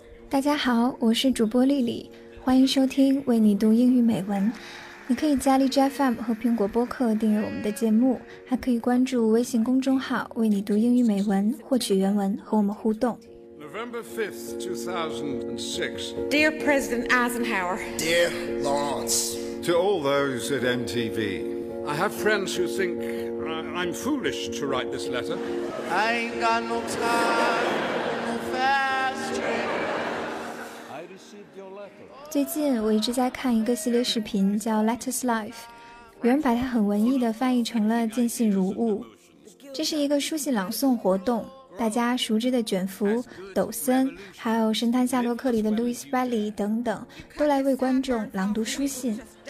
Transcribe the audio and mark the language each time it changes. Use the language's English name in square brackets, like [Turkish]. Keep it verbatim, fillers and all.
[Chinese] 大家好，我是主播丽丽，欢迎收听为你读英语美文。你可以在荔枝 F M 和苹果播客订阅我们的节目，还可以关注微信公众号为你读英语美文，获取原文和我们互动。 [English] November fifth, two thousand six. Dear President Eisenhower. Dear Lawrence. To all those at M T V. I have friends who think I'm foolish to write this letter. I ain't got no time, no fast train. [Chinese] 最近我一直在看一个系列视频叫 Letters Life， 有人把它很文艺的翻译成了见信如晤。这是一个书信朗诵活动，大家熟知的卷福、抖森，还有神探夏洛克里的路易斯·班里等等，都来为观众朗读书信。